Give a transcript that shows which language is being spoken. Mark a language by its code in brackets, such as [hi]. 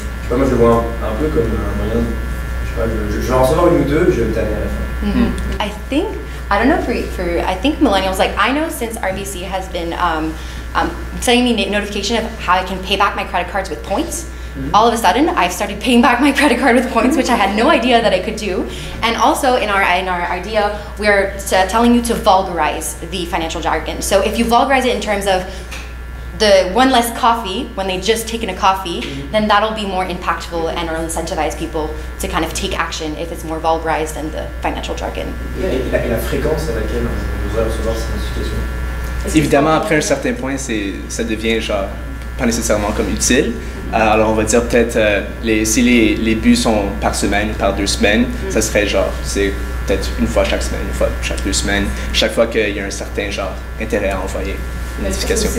[fr] Moi, je le vois un peu comme un moyen de... Je vais en recevoir une ou deux, je vais me tanner à la fin. [en] I think... I don't know for... I think millennials, like, I know since RBC has been sending me notification of how I can pay back my credit cards with points. All of a sudden, I've started paying back my credit card with points, which I had no idea that I could do. And also, in our idea, we're telling you to vulgarize the financial jargon. So if you vulgarize it in terms of the one less coffee, when they just taken a coffee, then that'll be more impactful and will incentivize people to kind of take action if it's more vulgarized than the financial jargon. [fr] La fréquence à laquelle on devrait recevoir cette notification. Évidemment, après un certain point, ça devient genre pas nécessairement comme utile. Alors, on va dire peut-être, si les bus sont par semaine ou par deux semaines, ça serait genre, c'est peut-être une fois chaque semaine, une fois chaque deux semaines, chaque fois qu'il y a un certain genre intérêt à envoyer une notification.